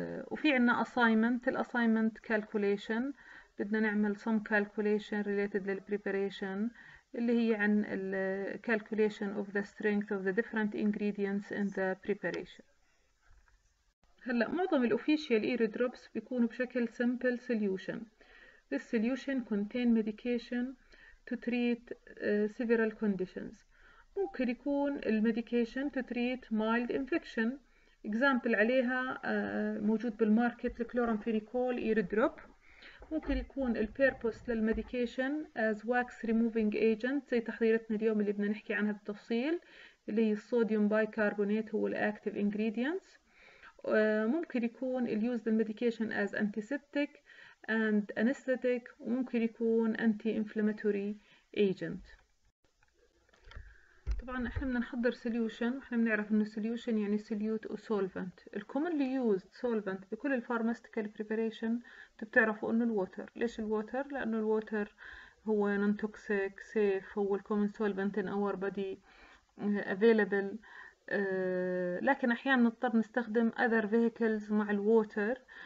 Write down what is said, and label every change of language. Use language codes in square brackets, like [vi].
[en] وفي عنا assignment، الassignment calculation، بدنا نعمل some calculation related لل preparation اللي هي عن ال calculation of the strength of the different ingredients in the preparation. [ar] هلأ معظم الأوفيشيال إير دروبس بيكونوا بشكل simple solution. [en] This solution contains medication to treat several conditions. [ar] ممكن يكون [en] medication to treat mild infection. [ar] Example عليها موجود بالماركت الكلورامفينيكول إير دروب. ممكن يكون ال purpose لل [en] medication as wax removing agent [ar] زي تحضيرتنا اليوم اللي بدنا نحكي عنها بالتفصيل اللي هي الصوديوم بايكربونات هو ال active ingredients. [en] ممكن يكون ال use the medication as antiseptic and anesthetic، [ar] وممكن يكون [en] anti-inflammatory agent. [ar] طبعا احنا بدنا نحضر solution، احنا بنعرف انه solution يعني solute و solvent. ال [en] commonly used solvent [ar] بكل [en] pharmaceutical preparation [ar] بتعرفوا انه الووتر. ليش الووتر؟ لانه الووتر هو [en] non toxic safe، [ar] هو ال [en] common solvent in our body available. [ar] لكن احيانا نضطر نستخدم [en] other vehicles [ar] مع الووتر.